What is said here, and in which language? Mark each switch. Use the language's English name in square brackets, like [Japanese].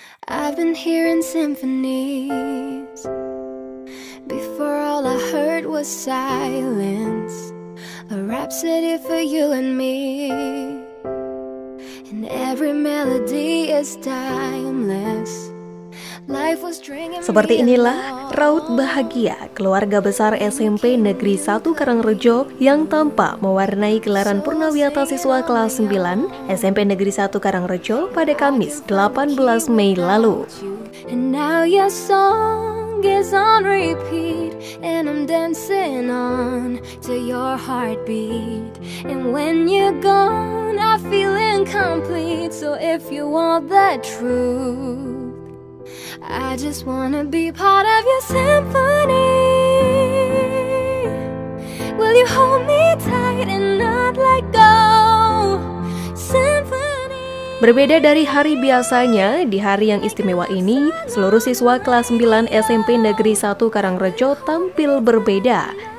[English] I've been hearing symphonies before all I heard was silence, a rhapsody for you and me. And every melody is timeless. Life was stringing. [Indonesian] Seperti inilah raut bahagia keluarga besar SMP Negeri 1 Karangrejo yang tampak mewarnai gelaran Purnawiyata Siswa kelas 9 SMP Negeri 1 Karangrejo pada Kamis 18 Mei lalu. [English] And now your song is on repeat and I'm dancing on to your heartbeat. And when you're gone I feel incomplete, so if you want the truth I just wanna be part of your symphony. Will you hold me tight and not let go? Symphony. [Indonesian] Berbeda dari hari biasanya, di hari yang istimewa ini, seluruh siswa kelas 9 SMP Negeri 1 Karangrejo tampil berbeda.